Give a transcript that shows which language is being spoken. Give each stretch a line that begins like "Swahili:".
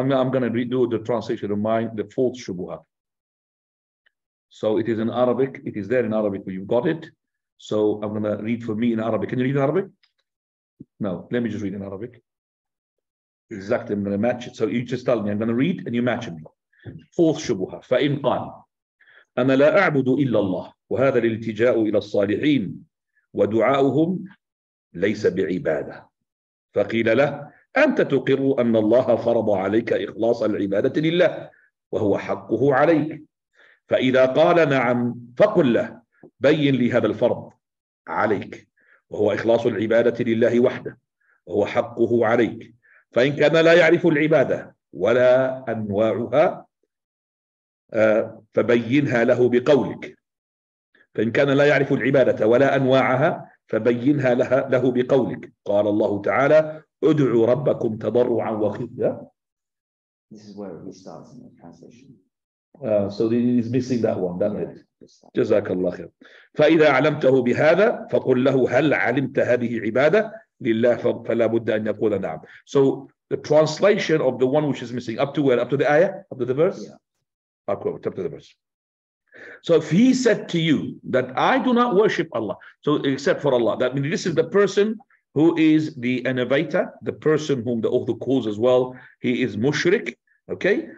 English: I'm going to redo the translation of mine, the fourth Shubuhat. So it is in Arabic. It is there in Arabic, but you've got it. So I'm going to read for me in Arabic. Can you read in Arabic? No, let me just read in Arabic. Exactly, I'm going to match it. So you just tell me, I'm going to read and you match me. Fourth Shubuhat.
Arabic: فَإِنْ قَالَ أَنَا لَا أَعْبُدُ إِلَّا اللَّهِ وَهَذَا الْإِلْتِجَاءُ إِلَى الصَّالِحِينَ وَدُعَاؤُهُمْ لَيْسَ بِعِبَادَةٍ فقيل له أنت تقر أن الله فرض عليك إخلاص العبادة لله وهو حقه عليك فإذا قال نعم فقل له بين لي هذا الفرض عليك وهو إخلاص العبادة لله وحده وهو حقه عليك فإن كان لا يعرف العبادة ولا أنواعها فبينها له بقولك فإن كان لا يعرف العبادة ولا أنواعها فبينها له بقولك قال الله تعالى ادعوا ربكم تضرعا وخفيا.
English: This is where we start in the translation. So he is missing that one. That's it.
Arabic: جزاك الله خير. فإذا علمته بهذا فقل له هل علمت هذه عبادة لله فلا بد أن يقول نعم.
English: So the translation of the one which is missing up to where? Up to the ayah? Up to the verse? Yeah. Up to the verse. So if he said to you that I do not worship Allah, so except for Allah, that means this is the person who is the innovator, the person whom the author calls as well, he is mushrik, okay?